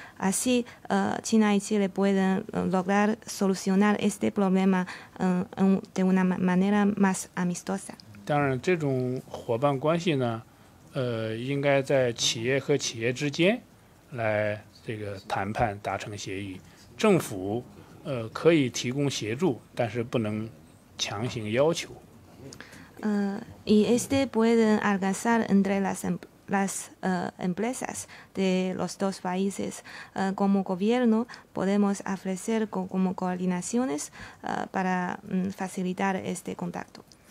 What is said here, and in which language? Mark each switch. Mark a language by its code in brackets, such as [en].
[es] Así, China y Chile pueden lograr solucionar este problema de una manera más amistosa. [zh] 当然，这种伙伴关系呢，应该在企业和企业之间来这个谈判达成协议。政府可以提供协助，但是不能强行要求。 [es] Y este puede alcanzar entre las empresas de los dos países. Como gobierno podemos ofrecer como coordinaciones para facilitar este contacto.